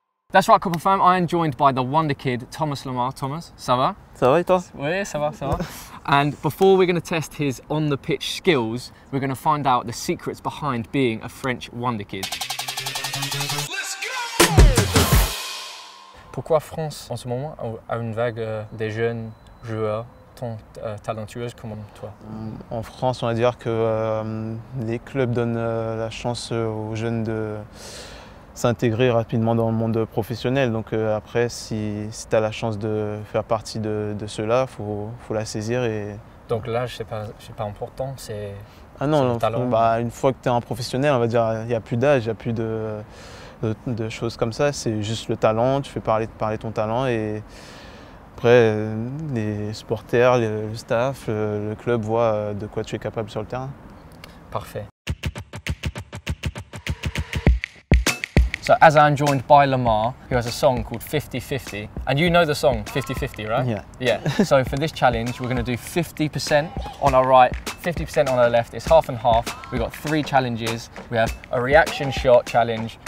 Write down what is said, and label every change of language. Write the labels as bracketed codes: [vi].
[en] That's right, Copper Fam. I am joined by the Wonderkid, Thomas Lemar. [fr] Thomas, ça va? Ça va, et toi? Oui, ça va, ça va. [en] And before we're going to test his on-the-pitch skills, we're going to find out the secrets behind being a French Wonderkid. [fr] Pourquoi France, en ce moment, a une vague des jeunes joueurs talentueuse comme toi? En France, on va dire que les clubs donnent la chance aux jeunes de s'intégrer rapidement dans le monde professionnel. Donc après, si tu as la chance de faire partie de ceux-là, faut la saisir. Et... Donc l'âge, c'est pas important, c'est ah non, c'est le talent. Bah, une fois que tu es un professionnel, on va dire, il n'y a plus d'âge, il n'y a plus de choses comme ça. C'est juste le talent, tu fais parler ton talent et... Après, les supporters, le staff, le club voient de quoi tu es capable sur le terrain. Parfait. [en] So, as I'm joined by Lemar, who has a song called 50-50. And you know the song, 50-50, right? Yeah. Yeah. So, for this challenge, we're going to do 50% on our right, 50% on our left. It's half and half. We've got three challenges. We have a reaction shot challenge.